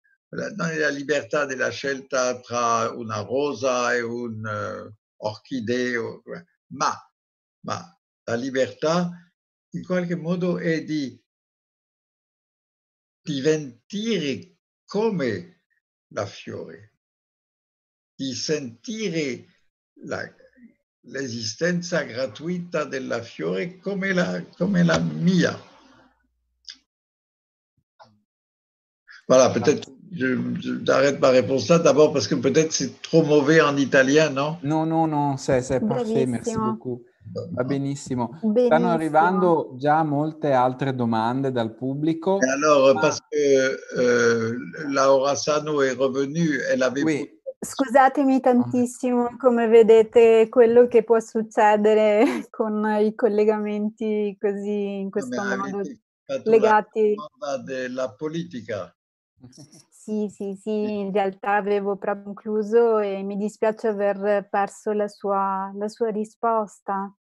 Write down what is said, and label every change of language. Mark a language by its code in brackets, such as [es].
[it] Non è la libertà della scelta tra una rosa e un'orchidea, ma la libertà in qualche modo è di diventare come la fiore, di sentire l'esistenza gratuita della fiore come la mia. [fr] Voilà, peut-être. J'arrête ma réponse là d'abord parce que peut-être c'est trop mauvais en italien, non? Non, c'est parfait, merci beaucoup. [it] Va benissimo. Stanno arrivando già molte altre domande dal pubblico. [fr] Et alors, parce que Laura Sano est revenue, elle avait... Oui. [it] Scusatemi tantissimo, come vedete quello che può succedere con i collegamenti così in questo modo legati. Della politica. Sì, in realtà avevo proprio concluso e mi dispiace aver perso la sua risposta.